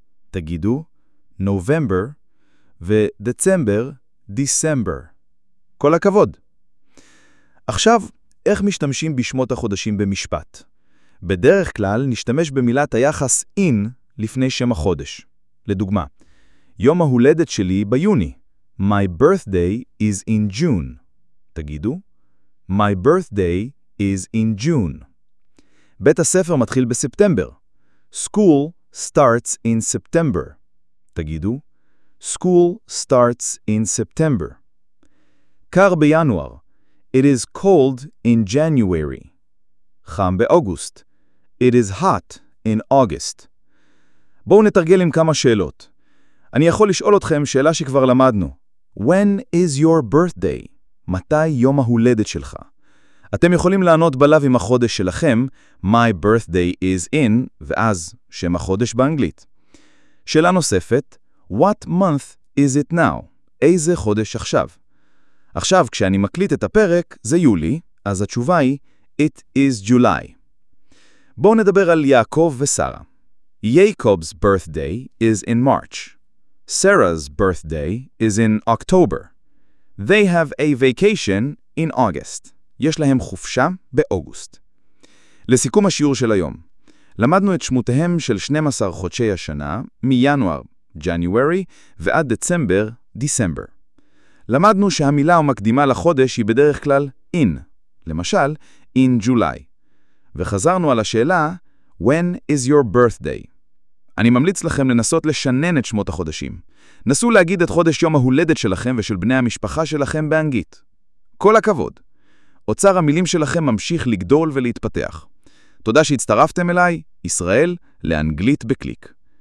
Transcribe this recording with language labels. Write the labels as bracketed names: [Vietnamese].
[Hebrew] תגידו, November. ודצמבר, December. כל הכבוד. עכשיו, איך משתמשים בשמות החודשים במשפט? בדרך כלל נשתמש במילת היחס in לפני שם החודש. לדוגמה, יום ההולדת שלי ביוני. [English] My birthday is in June. [Hebrew] תגידו, [English] My birthday is in June. [Hebrew] בית הספר מתחיל בספטמבר. [English] School starts in September. תגידו, School starts in September. [Hebrew] קר בינואר. [English] It is cold in January. [Hebrew] חם באוגוסט. [English] It is hot in August. [Hebrew] בואו נתרגל עם כמה שאלות. אני יכול לשאול אתכם שאלה שכבר למדנו. [English] When is your birthday? [Hebrew] מתי יום ההולדת שלך? אתם יכולים לענות בלב עם החודש שלכם, [English] My birthday is in, [Hebrew] ואז שם החודש באנגלית. שאלה נוספת, [English] What month is it now? [Hebrew] איזה חודש עכשיו? עכשיו, כשאני מקליט את הפרק, זה יולי, אז התשובה היא, [English] It is July. [Hebrew] בואו נדבר על יעקב ושרה. [English] Jacob's birthday is in March. Sarah's birthday is in October. They have a vacation in August. [Hebrew] יש להם חופשה באוגוסט. לסיכום השיעור של היום, למדנו את שמותיהם של 12 חודשי השנה, מינואר, January, ועד דצמבר, December. למדנו שהמילה המקדימה לחודש היא בדרך כלל in, למשל, [English] in July. [Hebrew] וחזרנו על השאלה, [English] When is your birthday? [Hebrew] אני ממליץ לכם לנסות לשנן את שמות החודשים. נסו להגיד את חודש יום ההולדת שלכם ושל בני המשפחה שלכם באנגלית. כל הכבוד! אוצר המילים שלכם ממשיך לגדול ולהתפתח. תודה שהצטרפתם אליי, ישראל, לאנגלית בקליק.